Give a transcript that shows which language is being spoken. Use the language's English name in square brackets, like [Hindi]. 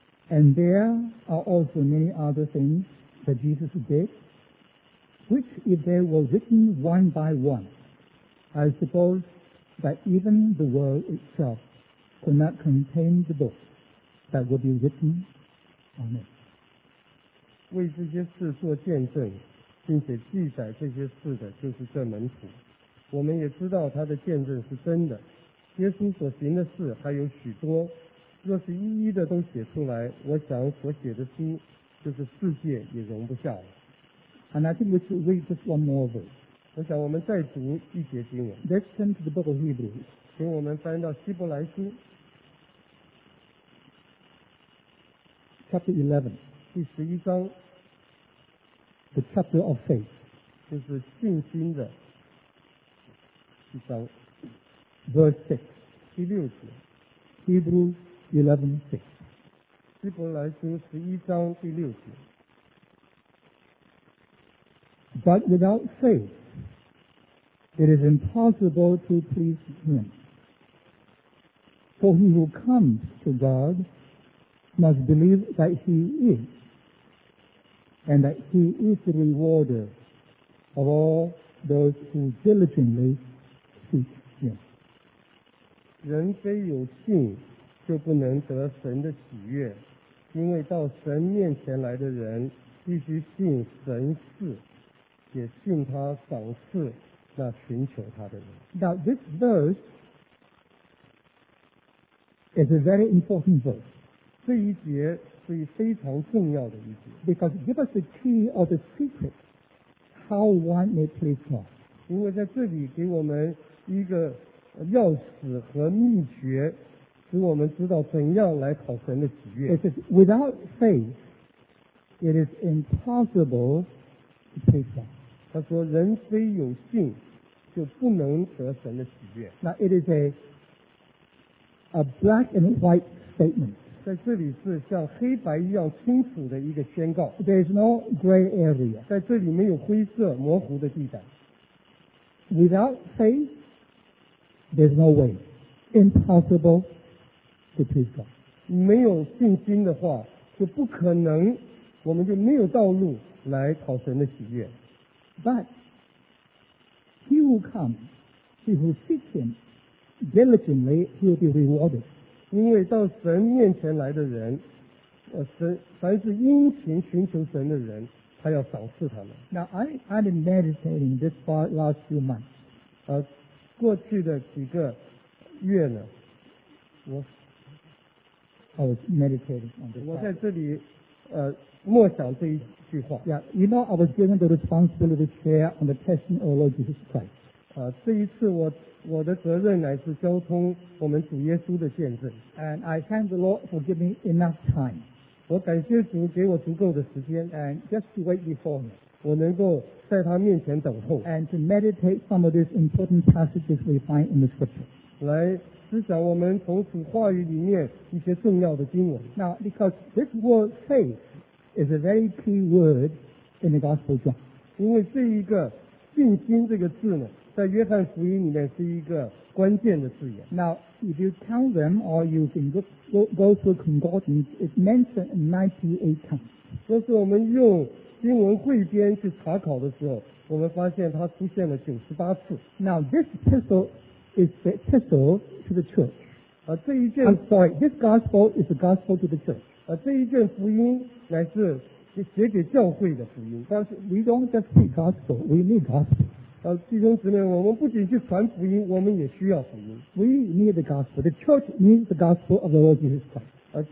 [English] And there are also many other things. That Jesus did, which if they were written one by one, I suppose that even the world itself could not contain the book that would be written on it. [Chinese] 为这些事做见证，并且记载这些事的就是这门徒。我们也知道他的见证是真的，耶稣所行的事还有许多，若是一一的都写出来，我想所写的书就是世界也容不下了。 [English] And I think we should read just one more verse. [Chinese] 我想我们再读一节经文。 [English] Let's turn to the book of Hebrews. [Chinese] 请我们翻到希伯来书 [English] Chapter 11, [Chinese] 第十一章。 [English] The chapter of faith, [Chinese] 就是信心的一章。 [English] Verse [Chinese] 6, 第六节。 [English] Hebrews 11:6, [Chinese] 希伯来书十一章第六节。 [English] But without faith, it is impossible to please him. For he who comes to God must believe that he is, and that he is the rewarder of all those who diligently seek him. [Chinese] 人非有信，就不能得神的喜悦。因为到神面前来的人必须信神是，也信他赏赐那寻求他的人。 [English] Now this verse is a very important verse. [Chinese] 这一节是非常重要的一节。 [English] Because it gives us the key or the secret how one may please God. [Chinese] 因为在这里给我们一个钥匙和秘诀，使我们知道怎样来讨神的喜悦。 [English] It says, without faith, it is impossible to please God. [Chinese] 他说人非有信就不能得神的喜悦。 [English] Now it is a black and white statement. [Chinese] 在这里是像黑白一样清楚的一个宣告。 [English] There is no gray area. [Chinese] 在这里没有灰色模糊的地带。 [English] Without faith, there is no way. Impossible. [Chinese] 没有信心的话，就不可能，我们就没有道路来讨神的喜悦。 [English] But he who comes, he who seeks him diligently, he will be rewarded. [Chinese] 因为到神面前来的人，凡是殷勤寻求神的人，他要赏赐他们。 [English] Now I've been meditating this for last few months. [Chinese] 过去的几个月呢， [English] I was meditating on this. [Chinese] 我在这里，默想这一句话。 [English] Yeah, you know, I was given the responsibility to share on the testimony of the Lord Jesus Christ. [Chinese] 这一次我的责任乃是交通我们主耶稣的见证。 [English] And I thank the Lord for giving me enough time. [Chinese] 我感谢主给我足够的时间。 [English] And just to wait before me. [Chinese] 我能够在他面前等候。 [English] And to meditate some of these important passages we find in the Scripture. [Chinese] 来。思想我们从主话语里面一些重要的经文。 [English] Now, because this word faith is a very key word in the Gospel of John. [Chinese] 因为这一个信心这个字呢，在约翰福音里面是一个关键的字眼。 [English] Now, if you count them or you can go to a concordance, it's mentioned 98 times. [Chinese] 若是我们用经文汇编去查考的时候，我们发现它出现了98次。 [English] Now, this epistle is the epistle. To the church. [Chinese] 这一卷 [English] I'm sorry, this gospel is the gospel to the church. [Chinese] 这一卷福音乃是写给教会的福音。但是 [English] we don't just need gospel, we need gospel. [Chinese] 弟兄姊妹，我们不仅去传福音，我们也需要福音。 [English] We need the gospel. The church needs the gospel of the Lord Jesus Christ.